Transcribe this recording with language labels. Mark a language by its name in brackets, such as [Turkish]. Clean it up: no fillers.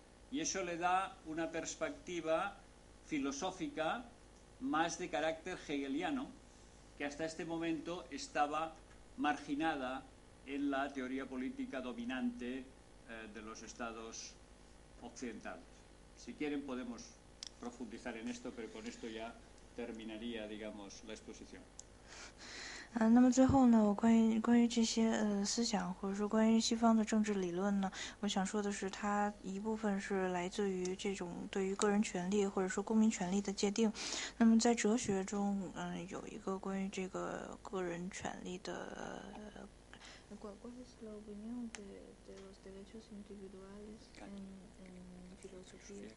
[Spanish] Y eso le da una perspectiva filosófica más de carácter hegeliano, que hasta este momento estaba marginada en la teoría política dominante, de los estados occidentales. Si quieren, podemos profundizar en esto, pero con esto ya terminaría, digamos, la exposición. [Chinese] 那么最后呢，我关于这些思想或者说关于西方的政治理论呢，我想说的是，它一部分是来自于这种对于个人权利或者说公民权利的界定。那么在哲学中，有一个关于这个个人权利的。 [Spanish] ¿Cuál es la opinión de los derechos individuales en filosofía